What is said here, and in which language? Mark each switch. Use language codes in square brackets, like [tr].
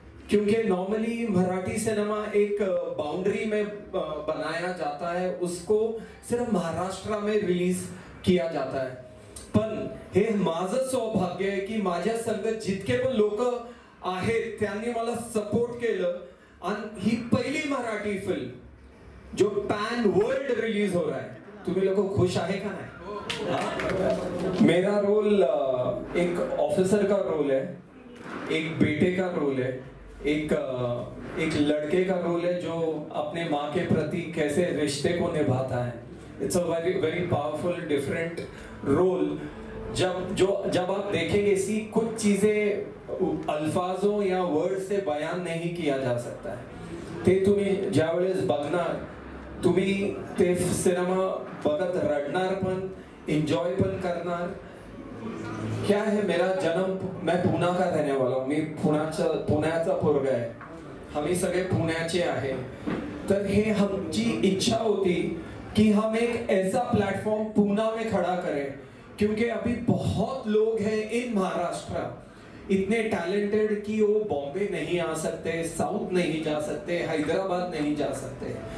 [hi] क्योंकि normally Marathi cinema एक boundary में बनाया जाता है, उसको सिर्फ महाराष्ट्र में रिलीज किया जाता है. [mr] पण हे माझं सौभाग्य आहे की माझ्या संगत जितके पण लोक आहेत त्यांनी मला सपोर्ट केलं आणि ही पहिली मराठी फिल्म [hi] जो पॅन वर्ल्ड रिलीज हो रहा है. [mr] तुम्ही लोक खुश आहे का नाही? [hi] मेरा रोल एक ऑफिसर का रोल है, एक बेटे का रोल है, एक लड़के का रोल है जो अपने माँ के प्रति कैसे रिश्ते को निभाता है. [en] It's a very very powerful different role. [hi] जब आप देखेंगे इसी कुछ चीजें अल्फाजों या वर्ड से बयान नहीं किया जा सकता है. [mr] ते तुम्ही ज्यावेळेस बघणार, तुम्ही ते सिनेमा बघत रडणार पण एन्जॉय पण करणार. [hi] क्या है मेरा जन्म, मैं पुणे का रहने वाला हूँ, मैं [mr] पुण्याचा पोरगा आहे, हमी सगळे पुण्याचे आहे. तर हे हमची इच्छा होती [hi] कि हम एक ऐसा प्लॅटफॉर्म पुणे में खड़ा करें, क्योंकि अभी बहुत लोग हैं इन महाराष्ट्र इतने टैलेंटेड कि वो बॉम्बे नहीं आ सकते, साउथ नहीं जा सकते, हैदराबाद नहीं जा सकते.